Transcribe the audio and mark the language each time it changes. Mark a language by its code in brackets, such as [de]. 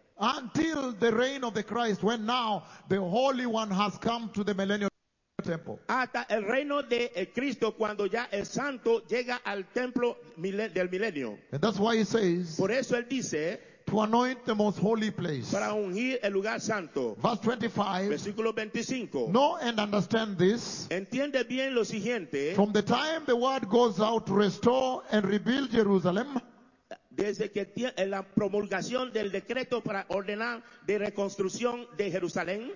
[en] Until the reign of the Christ, when now the Holy One has come to the millennial temple. [es] Hasta el reino de Cristo, cuando ya el santo llega al templo del milenio. [en] And that's why he says. [es] Por eso él dice. [en] To anoint the most holy place. [es] Para ungir el lugar santo. [en] Verse 25. [es] Versículo 25. [en] Know and understand this. [es] Entiende bien lo siguiente. [en] From the time the word goes out to restore and rebuild Jerusalem. [es] Desde que la promulgación del decreto para ordenar de reconstrucción de Jerusalén.